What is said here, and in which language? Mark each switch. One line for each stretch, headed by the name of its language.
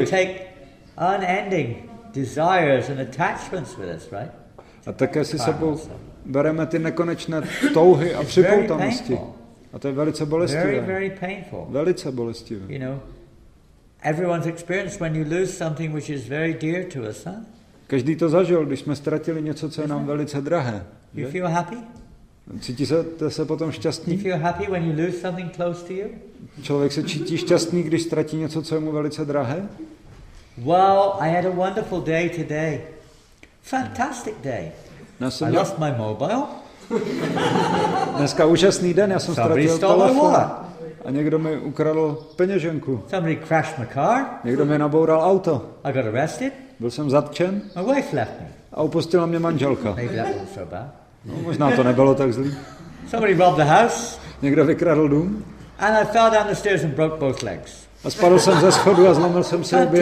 English: You take unending desires and attachments with us, right?
Czech: A také si sebou bereme ty nekonečné touhy a připoutanosti. A to je velice bolestivé.
English: Very, very painful.
Czech: Velice bolestivé.
English: You know, everyone's experienced when you lose something which is very dear to us, huh?
Czech: Každý to zažil, když jsme ztratili něco, co je nám velice drahé.
English: You feel happy?
Czech: Cítíte se potom šťastní?
English: You feel happy when you lose something close to you?
Czech: Člověk se cítí šťastný, když ztratí něco, co je mu velice drahé?
English: Well, I had a wonderful day today. Fantastic day. I lost my mobile.
Czech: Dneska úžasný den, já jsem ztratil telefon a někdo mi ukradl peněženku.
English: Somebody crashed my car.
Czech: Někdo mi naboural auto.
English: I got arrested.
Czech: Byl jsem zatčen.
English: My wife left me.
Czech: A opustila mě manželka.
English: Maybe that wasn't so bad.
Czech: No, možná to nebylo tak zlý.
English: Somebody robbed the house.
Czech: Někdo vykradl dům.
English: And I fell down the stairs and broke both legs.
Czech: A spadl jsem ze schodu a zlomil jsem si obě nohy.